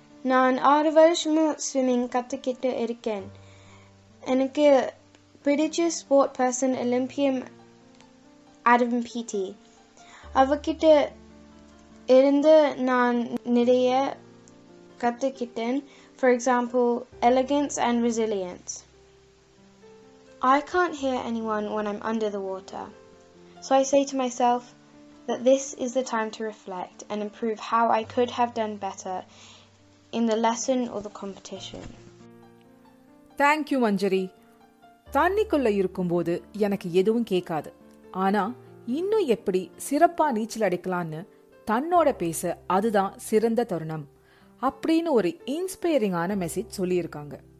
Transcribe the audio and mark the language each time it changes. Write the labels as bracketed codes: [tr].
[ta] நான் 6 வருஷமும் ஸ்விம்மிங் கத்துக்கிட்டு இருக்கேன். எனக்கு பிடிச்ச ஸ்போர்ட் பர்சன் ஒலிம்பியம் ஆடம் பிடி. அவகிட்ட இருந்து நான் நிறைய கத்துக்கிட்டேன். [en] For example, elegance and resilience. I can't hear anyone when I'm under the water. So I say to myself that this is the time to reflect and improve how I could have done better in the lesson or the competition. Thank you, Manjari. [ta] தண்ணிக்குள்ள இருக்கும்போது எனக்கு எதுவும் கேட்காது. ஆனா இன்னும் எப்படி சிறப்பா நீச்சல் அடிக்கலாம்னு தன்னோட பேச அதுதான் சிறந்த தருணம் அப்படின்னு ஒரு இன்ஸ்பைரிங்கான மெசேஜ் சொல்லியிருக்காங்க.